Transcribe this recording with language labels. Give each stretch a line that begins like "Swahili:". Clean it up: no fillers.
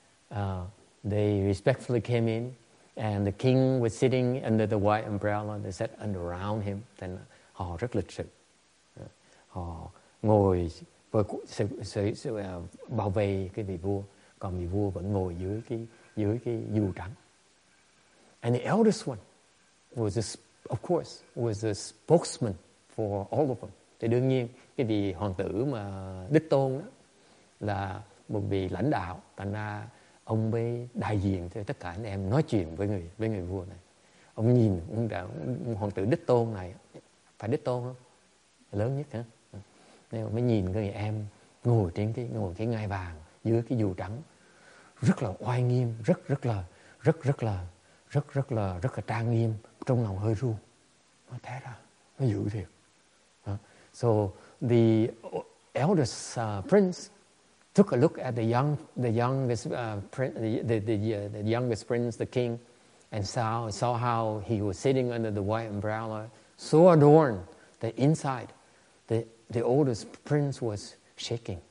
English: And they respectfully came in, and the king was sitting under the white umbrella. They sat around him. Then
Vietnamese: họ rất lịch sự. Họ ngồi sẽ bảo vệ cái vị vua, còn vị vua vẫn ngồi dưới cái dù trắng.
English: And the eldest one was a spokesman for all of them.
Vietnamese: Thì đương nhiên cái vị hoàng tử mà đích tôn đó là một vị lãnh đạo, thành ra ông mới đại diện cho tất cả anh em nói chuyện với người vua này. Ông nhìn ông hoàng tử đích tôn này, phải đích tôn không, lớn nhất hả, nên mới nhìn người em ngồi trên cái ngai vàng dưới cái dù trắng, rất là oai nghiêm, rất là trang nghiêm, trong lòng hơi ru. Nó thế ra nó dữ thiệt.
English: So the eldest prince took a look at the youngest prince, the king, and saw how he was sitting under the white umbrella, so adorned that inside, the oldest prince was shaking.